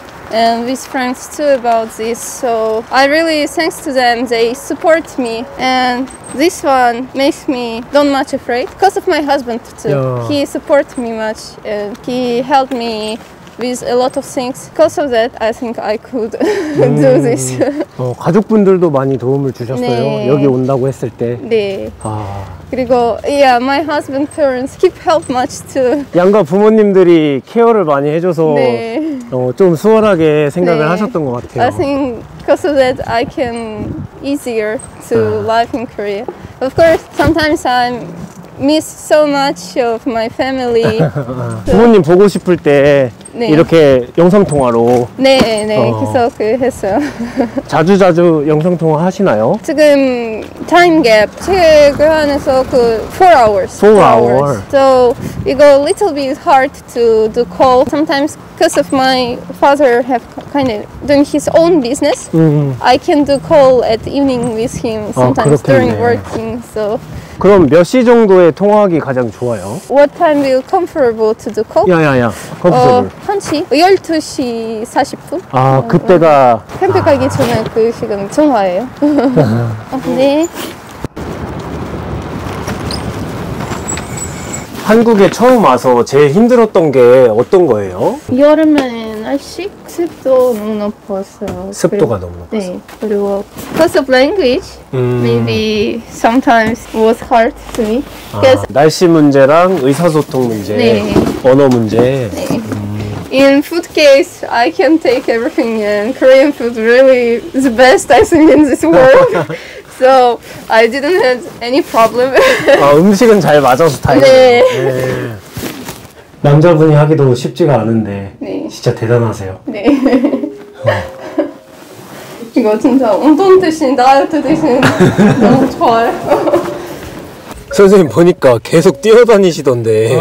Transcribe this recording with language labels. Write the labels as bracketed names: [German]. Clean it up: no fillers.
[English] And with friends too about this, so I really thanks to them, they support me. And this one makes me not much afraid because of my husband too. Yeah. He support me much and he helped me with a lot of things. Because of that, I think I could do this. [Korean] 가족분들도 많이 도움을 주셨어요. 네. 여기 온다고 했을 때. 네. 아. 그리고 [English] yeah, my husband parents keep help much too. [Korean] 양가 부모님들이 케어를 많이 해줘서 네. 좀 수월하게 생각을 네. 하셨던 것 같아요. [English] I think because of that I can easier to live in Korea. Of course, sometimes I miss so much of my family. [Korean] 부모님 보고 싶을 때 네. 이렇게 영상통화로 네네 계속 했어요. 자주 영상통화 하시나요? 지금 [English] time gap [Korean] 체크 안에서 그 [English] 4 hours. So, [Korean] 이거 [English] little bit hard to do call sometimes because of my father have kind of doing his own business. I can do call at evening with him sometimes during working. So [Korean] 그럼 몇 시 정도에 통화하기 가장 좋아요? [English] What time do you comfortable to do call? 야야야, comfortable. [Korean] 한 시? 12시 40분? 아, 그때가... 캠프 가기 전에 그 시간 통화해요. 네. 한국에 처음 와서 제일 힘들었던 게 어떤 거예요? 여름에 날씨? 습도 너무 높아서 습도가 그리고, 너무 높아서 네, 그리고 [English] because of language maybe sometimes was hard to me [Korean] 아, 날씨 문제랑 의사소통 문제 네. 언어 문제 네. [English] In food case, I can take everything and Korean food really is the best I think in this world So, I didn't have any problem. [Korean] 아, 음식은 잘 맞아서 다행이네요. 네. 남자분이 하기도 쉽지가 않은데 네. 진짜 대단하세요. 네. 이거 진짜 운동 대신 다이어트 대신 너무 좋아요. 선생님 보니까 계속 뛰어다니시던데